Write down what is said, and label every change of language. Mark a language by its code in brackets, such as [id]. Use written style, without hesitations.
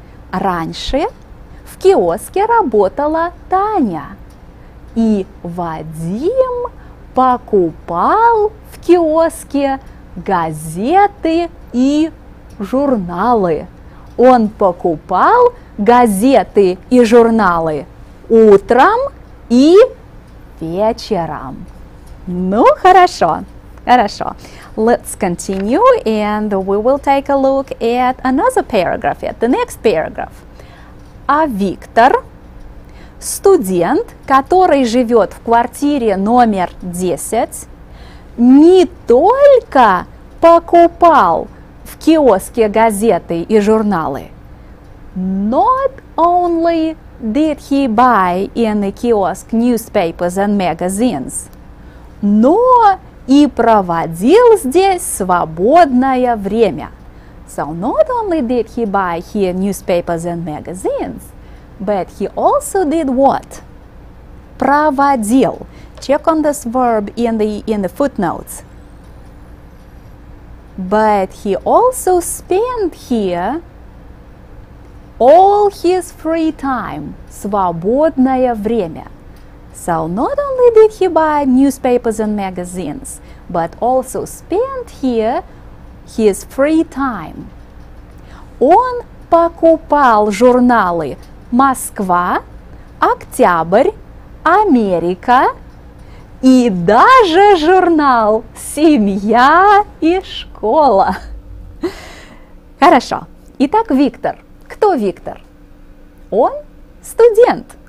[ru] Раньше в киоске работала Таня, и Вадим покупал в киоске газеты и журналы. Он покупал газеты и журналы утром и вечером. Ну, хорошо, хорошо. [en] Let's continue, and we will take a look at another paragraph, at the next paragraph. [ru] А Виктор, студент, который живет в квартире номер 10, не только покупал в киоске газеты и журналы. [en] Not only did he buy in the kiosk newspapers and magazines, [ru] но и проводил здесь свободное время. [en] So not only did he buy here newspapers and magazines, but he also did what? Проводил. Check on this verb in the footnotes. But he also spent here all his free time, [ru] свободное время. [en] So not only did he buy newspapers and magazines, but also spent here his free time. [ru] Он покупал журналы Москва, Октябрь, Америка и даже журнал Семья и школа. Хорошо. Итак, Виктор. Кто Виктор? Он студент.